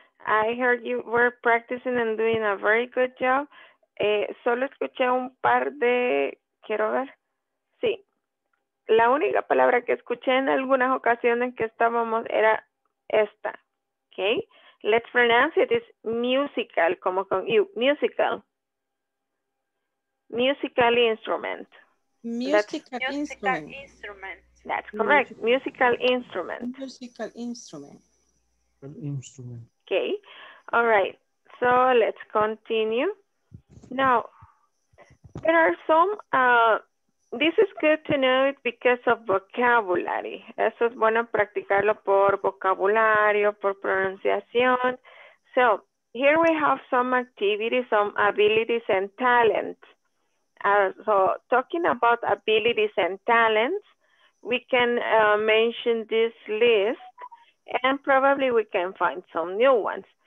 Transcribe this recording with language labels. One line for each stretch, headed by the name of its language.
English: I heard you were practicing and doing a very good job.
Spanish: Solo escuché un par de, quiero ver. Sí, la única palabra que escuché en algunas ocasiones que estábamos era
English: esta. Okay. Let's pronounce it. It's musical, como con you. Musical. Musical instrument. Musical instrument. That's correct. Musical instrument. Musical instrument. An instrument. Okay. All right. So let's continue. Now, there are some, this is good to know it because of vocabulary.
Spanish: Eso es bueno practicarlo por vocabulario, por pronunciación.
English: So here we have some activities, some abilities and talents. So talking about abilities and talents, we can mention this list and probably we can find some new ones.